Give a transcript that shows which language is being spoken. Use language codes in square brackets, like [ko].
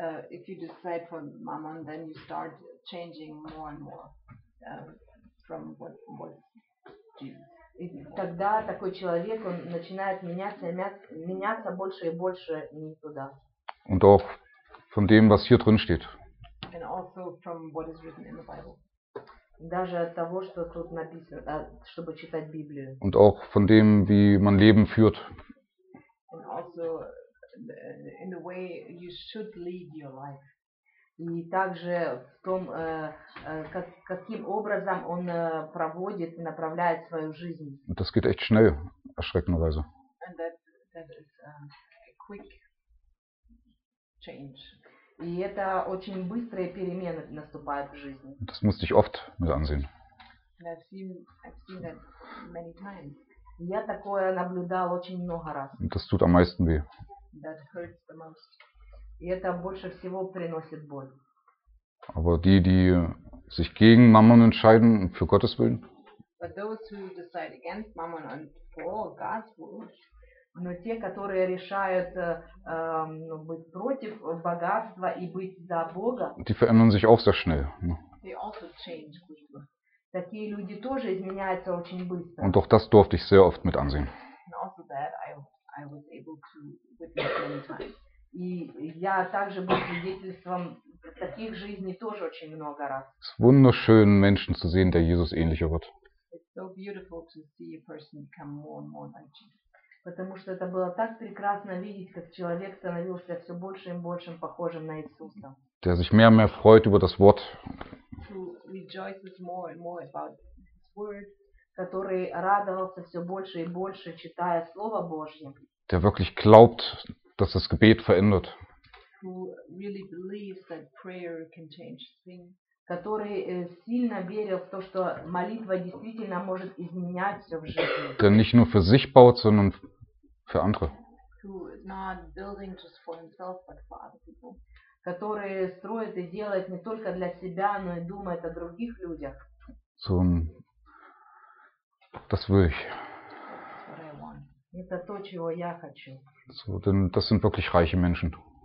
[en] If you decide for Mammon, then you start changing more and more from what Jesus. [ru] Тогда такой человек он начинает меняться больше и больше не туда. [de] Und auch von dem, was hier drin steht. [en] And also from what is written in the Bible. [ru] Даже от того, что тут написано, чтобы читать Библию. [de] Und auch von dem, wie man Leben führt. [en] And also in the way you should lead your life. [ru] И также в том, каким образом он проводит и направляет свою жизнь. [de] Das geht echt schnell, erschreckenderweise. [en] And that is a quick change. [ru] И это очень быстрые перемены наступают в жизни. [de] Das musste ich oft mit ansehen. [en] And I've seen that many times. [ru] Я такое наблюдал очень много раз. [de] Und das tut am meisten weh. [en] That hurts the most. [ru] И это больше всего приносит боль. [de] Aber die sich gegen Mammon entscheiden für Gottes Willen. [en] But those who decide against Mammon and for God's will. [ru] Но те, которые решают быть против богатства и быть за Бога. [de] Die verändern sich auch sehr schnell. [en] They also change quickly. [ru] Такие люди тоже изменяются очень быстро. [de] Und auch das durfte ich sehr oft mit ansehen. [en] And also that I was able to witness many times. [ru] И я также был свидетельством таких жизней тоже очень много раз. [de] Es ist wunderschön, Menschen zu sehen, der Jesus ähnlicher wird. [en] It's so beautiful to see a person become more and more like Jesus. [ru] Потому что это было так прекрасно видеть, как человек становился все больше и больше похожим на Иисуса. [de] Der sich mehr und mehr freut über das Wort. [en] Who rejoices more and more about his word. [ru] Который радовался все больше и больше, читая Слово Божье. [de] Der wirklich glaubt, dass das Gebet verändert. [en] Who really believes that prayer can change things. [ru] Который сильно верил в то, что молитва действительно может изменять все в жизни. [de] Der nicht nur für sich baut, sondern für andere. [en] Who is not building just for himself, but for other people. [ru] Который строит и делает не только для себя, но и думает о других людях. [de] So, das will ich. [ru] Это то, чего я хочу. [de] So, denn das sind wirklich reiche Menschen.